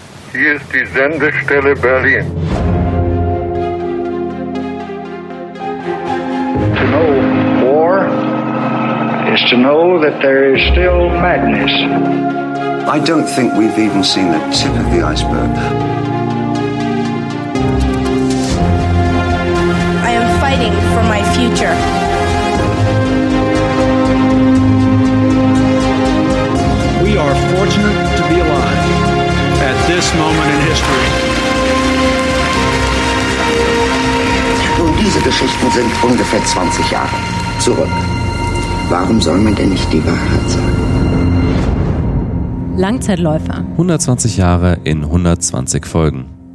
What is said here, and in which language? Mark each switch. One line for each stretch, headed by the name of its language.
German: Hier ist die Sendestelle Berlin.
English: To know war is to know that there is still madness. I don't think we've even seen the tip of the iceberg. I am fighting for my future. To be alive at this moment in history.
German: Nun, diese Geschichten sind ungefähr 20 Jahre zurück. Warum soll man denn nicht die Wahrheit sagen? Langzeitläufer. 120 Jahre in 120 Folgen.